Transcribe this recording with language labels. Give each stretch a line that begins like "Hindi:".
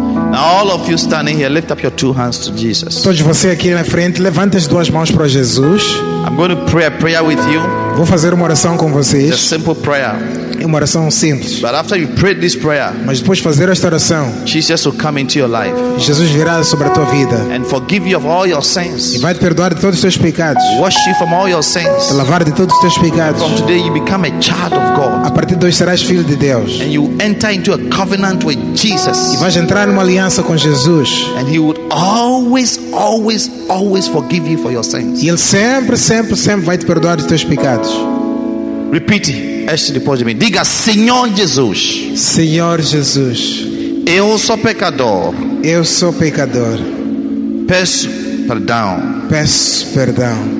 English: Now all of you standing here, lift up your two hands to Jesus.
Portuguese: Todos vocês aqui na frente, levantem as duas mãos para Jesus.
English: I'm going to pray a prayer with you.
Portuguese: Vou fazer uma oração com vocês.
English: Just a simple prayer.
Portuguese: É uma oração simples.
English: But after you pray this prayer,
Portuguese: mas depois de fazer esta oração,
English: Jesus will come into your life.
Portuguese: Jesus virá sobre a tua vida.
English: And forgive you of all your sins.
Portuguese: E vai te perdoar de todos os teus pecados.
English: Wash you from all your sins.
Portuguese: Te lavar de todos os teus pecados.
English: From today you become a child of God.
Portuguese: A partir de hoje serás filho de Deus.
English: And you enter into a covenant with Jesus.
Portuguese: E vais entrar numa aliança com Jesus.
English: And he would always, always, always forgive you for your sins.
Portuguese: E ele sempre, sempre, sempre vai te perdoar de teus pecados. Repeat este depois de mim. Diga, Senhor Jesus. Senhor Jesus. Eu sou pecador. Eu sou pecador. Peço perdão. Peço perdão.